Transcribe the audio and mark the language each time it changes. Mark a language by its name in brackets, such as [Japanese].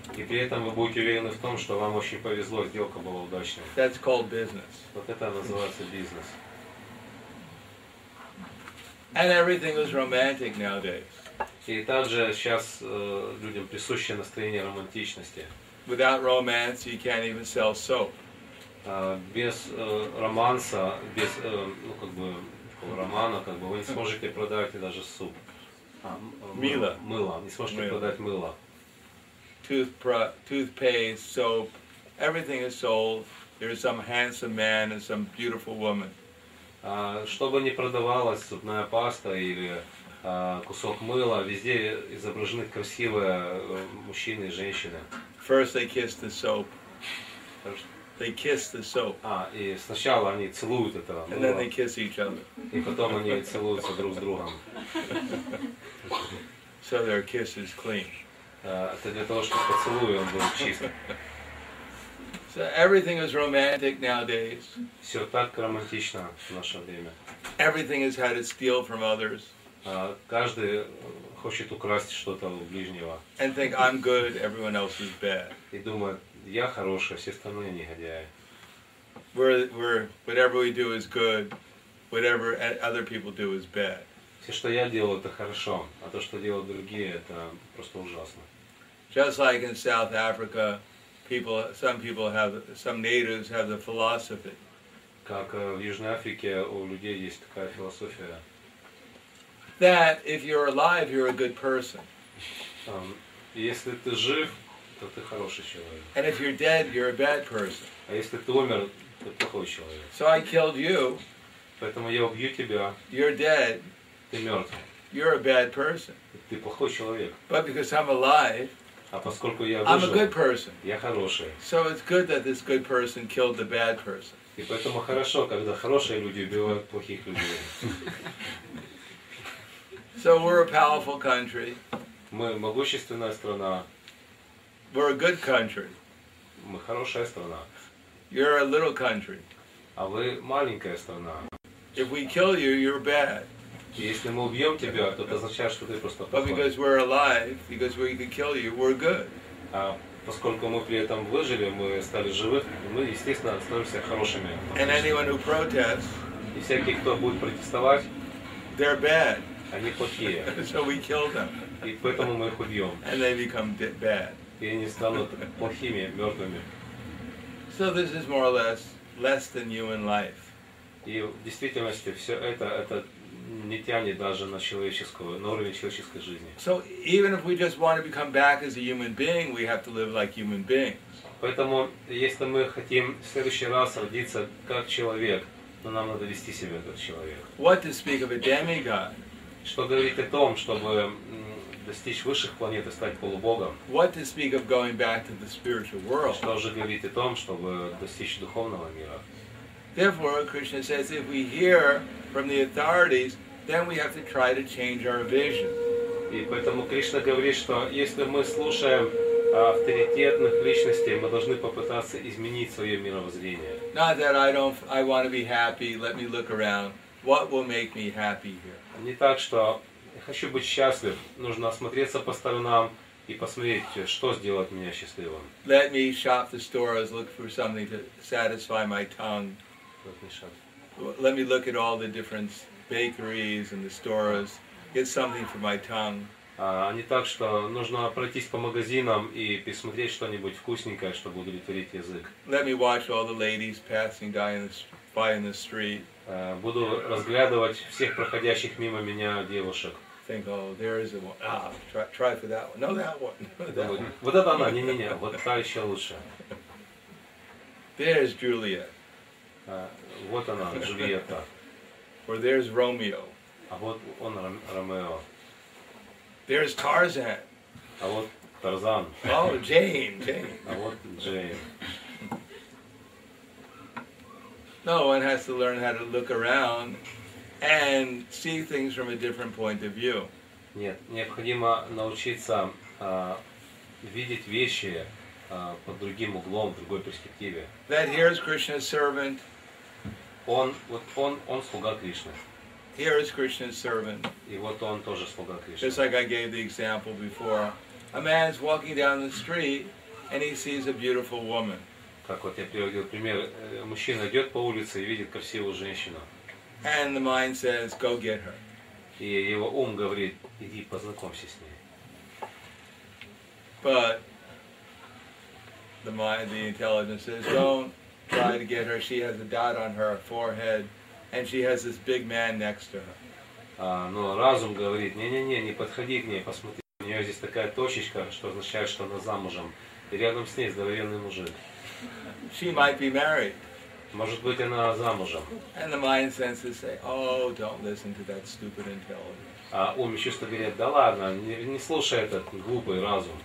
[Russian] И при этом вы будете уверены в том, что вам очень повезло, сделка была удачной. [English] That's called business. [Russian] Вот это называется бизнес. [English] And everything is romantic nowadays. [Russian] И также сейчас людям присуще настроение романтичности. [English] Without romance, you can't even sell soap. [Russian] Без романса, без ну как бы романа, как бы вы не сможете продать даже суп. Мыло. Мыло. Не сможете мило. Продать мыло. [English] Toothpaste, soap, everything is sold. There is some handsome man and some beautiful woman. [Russian] Что бы ни продавалось, зубная паста или кусок мыла, везде изображены красивые мужчины и женщины. [English] First they kiss the soap. They kiss the soap. [Russian] И сначала они целуют это. [English] And then they kiss each other. [Russian] И потом они целуются друг с другом. [English] So their kiss is clean. [Russian] Это для того, чтобы поцелуй он был чист. [English] So everything is romantic nowadays. [Russian] Все так романтично в наше время. [English] Everything has had to steal from others. [Russian] Каждый хочет украсть что-то у ближнего. [English] And think I'm good, everyone else is bad. [Russian] И думает, я хороший, все остальные негодяи. [English] We're whatever we do is good, whatever other people do is bad. [Russian] Все, что я делаю, это хорошо, а то, что делают другие, это просто ужасно. [English] Just like in South Africa, some natives have the philosophy. [Russian] Как в Южной Африке у людей есть такая философия. [English] That if you're alive, you're a good person. [Russian] Если ты жив, то ты хороший человек. [English] And if you're dead, you're a bad person. [Russian] А если ты умер, то плохой человек. [English] So I killed you. [Russian] Поэтому я убью тебя. [English] You're dead. [Russian] Ты мертв. [English] You're a bad person. [Russian] Ты плохой человек. [English] But because I'm alive. [Russian] А поскольку я выжил, [English] I'm a good person. [Russian] Я хороший. [English] So it's good that this good person killed the bad person. [Russian] И поэтому хорошо, когда хорошие люди убивают плохих людей. [English] So we're a powerful country. [Russian] Мы могущественная страна. [English] We're a good country. [Russian] Мы хорошая страна. [English] You're a little country. [Russian] А вы маленькая страна. [English] If we kill you, you're bad. [Russian] Если мы убьем тебя, то это означает, что ты просто плохой. [English] But because we're alive, because we can kill you, we're good. [Russian] А поскольку мы при этом выжили, мы стали живы, мы, естественно, становимся хорошими. [English] And anyone who protests, [Russian] и всякий, кто будет протестовать, [English] they're bad. [Russian] Они плохие. [English] So we kill them. [Russian] И поэтому мы их убьем. [English] And they become bad. [Russian] И они станут плохими, мертвыми. [English] So this is more or less than human life. [Russian] И в действительности все это не тянет даже на человеческую, на уровень человеческой жизни. [English] So even if we just want to become back as a human being, we have to live like human beings. [Russian] Поэтому если мы хотим в следующий раз родиться как человек, то нам надо вести себя как человек. [English] What to speak of a demigod? [Russian] Что говорить о том, чтобы достичь высших планет и стать полубогом? [English] What to speak of going back to the spiritual world? [Russian] Что же говорить о том, чтобы достичь духовного мира? [English] Therefore, Krishna says, if we hear from the authorities, then we have to try to change our vision. [Russian] И поэтому Кришна говорит, что если мы слушаем авторитетных личностей, мы должны попытаться изменить свое мировоззрение. [English] Not that I want to be happy. Let me look around. What will make me happy here? [Russian] Не так, что я хочу быть счастлив. Нужно осмотреться по сторонам и посмотреть, что сделает меня счастливым. [English] Let me shop the stores, look for something to satisfy my tongue. Let me look at all the different bakeries and the stores, get something for my tongue. [Russian] Не так, что нужно пройтись по магазинам и посмотреть что-нибудь вкусненькое, чтобы удовлетворить язык. [English] Let me watch all the ladies passing by in the street. [Russian] Буду разглядывать всех проходящих мимо меня девушек. [English] Think, oh, there is a one. Try for that one. No, that one. [Russian] Вот это она, не-не-не, вот та еще лучше. [English] There's Juliet. [Russian] Вот она, Джульетта. [English] Or there's Romeo. [Russian] А вот он, Ромео. [English] There's Tarzan. [Russian] А вот Тарзан. [English] Oh, Jane. [Russian] А вот Джейн. [English] No, one has to learn how to look around and see things from a different point of view. [Russian] Нет, необходимо научиться видеть вещи под другим углом, в другой перспективе. [English] That here is Krishna's servant. [Russian] Он слуга Кришны. [English] Here is Krishna's servant. [Russian] И вот он тоже слуга Кришны. [English] Just like I gave the example before. A man is walking down the street and he sees a beautiful woman. [Russian] Как вот я приводил пример, мужчина идет по улице и видит красивую женщину. [English] And the mind says, go get her. [Russian] И его ум говорит, иди познакомься с ней. [English] But the mind, the intelligence says, don't try to get her. She has a dot on her forehead, and she has this big man next to her. [Russian] Но разум говорит, не-не-не, не подходи к ней, посмотри. У нее здесь такая точечка, что означает, что она замужем. И рядом с ней здоровенный мужик. [English] She might be married. [Russian] Может быть, она замужем. [English] And the mind senses say, oh, don't listen to that stupid intelligence. [Russian] А ум чувство говорит, да ладно, не слушай этот глупый разум.